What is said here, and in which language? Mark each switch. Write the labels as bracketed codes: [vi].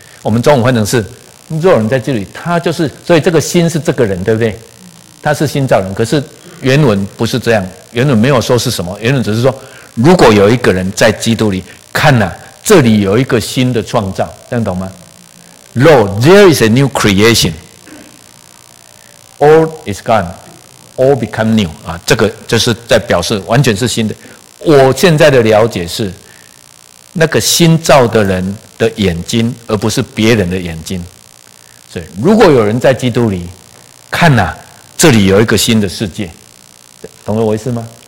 [zh] 我们中文换成是若人在这里，他就是，所以这个新是这个人，对不对？他是新造人，可是原文不是这样，原文没有说是什么，原文只是说，如果有一个人在基督里，看啊，这里有一个新的创造，这样懂吗？ [en] Lo, there is a new creation. Old is gone, all become new. [zh] 啊，这个就是在表示完全是新的。我现在的了解是，那个新造的人的眼睛，而不是别人的眼睛。所以，如果有人在基督里，看啊，这里有一个新的世界，懂了我意思吗？